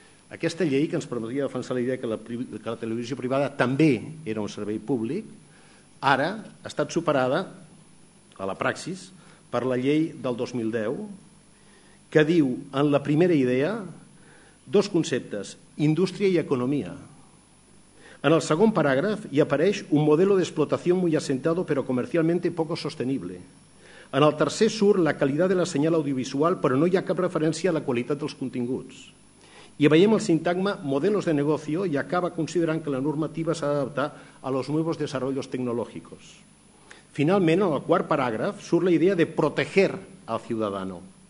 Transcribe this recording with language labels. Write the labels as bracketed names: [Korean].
[Catalan] Aquesta llei, que ens permetia defensar la idea que la televisió privada també era un servei públic, ara ha estat superada, a la praxis, per la llei del 2010, que diu, en la primera idea, dos conceptes, indústria i economia. En el segon paràgraf hi apareix [Spanish] un modelo de explotación muy asentado pero comercialmente poco sostenible. [Catalan] En el tercer surt [Spanish] la calidad de la señal audiovisual, [Catalan] però no hi ha cap referència a la qualitat dels continguts. I veiem el sintagma [Spanish] modelos de negocio [Catalan] i acaba considerant que la normativa s'ha d'adaptar [Spanish] a los nuevos desarrollos tecnológicos. [Catalan] Finalment, en el quart paràgraf, surt la idea de [Spanish] proteger al ciudadano.